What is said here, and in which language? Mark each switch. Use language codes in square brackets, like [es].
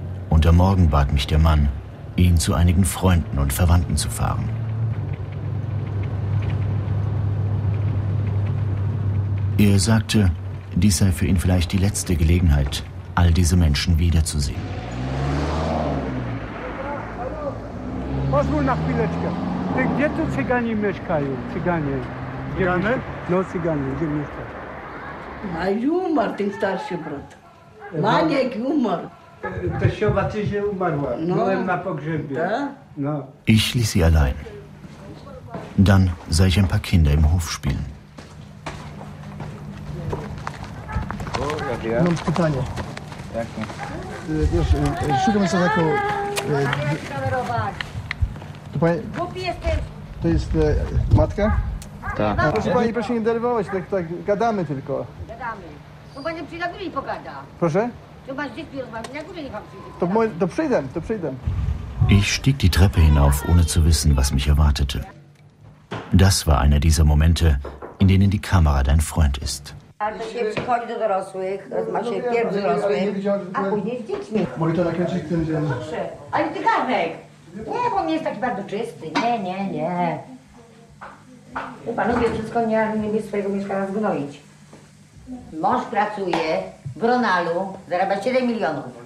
[de] Und am Morgen bat mich der Mann, ihn zu einigen Freunden und Verwandten zu fahren. Er sagte, dies sei für ihn vielleicht die letzte Gelegenheit, all diese Menschen wiederzusehen. [pl] Pozwól na chwileczkę. Ty, gdzie tu Cyganie mieszkają? Cyganie. Cyganie? No, Cyganie. Gdzie mieszkają? Maj umarł, ten starszy brat. Maniek umarł. To siowa tydzień umarła. No. Byłem na pogrzebie. [de] No. Ich ließ sie allein. Dann sah ich ein paar Kinder im Hof spielen. [pl] Ja. Mam pytanie. Jakie? Wiesz, szukam sobie taką... Głupi jesteś! To jest matka? Tak. No, proszę pani, proszę nie denerwować, tak gadamy tylko. Gadamy. No pani przyjdzie na górę i pogada. Proszę? Chyba z dziećmi rozmawiam, na górę nie mam przyjdzie. To przyjdę. [de] Ich stieg die Treppe hinauf, ohne zu wissen, was mich erwartete. Das war einer dieser Momente, in denen die Kamera dein Freund ist. [pl] Ale to się przychodzi do dorosłych, rozmawia się pierwszy dorosłych, a później z dziećmi. Mogę to nakręcić w tym dzień. Ale ty garnek! Nie, bo nie jest taki bardzo czysty. Nie. Ty panowie wszystko nie mieli swojego mieszkania zgnoić. Mąż pracuje w Ronalu, zarabia 7 milionów.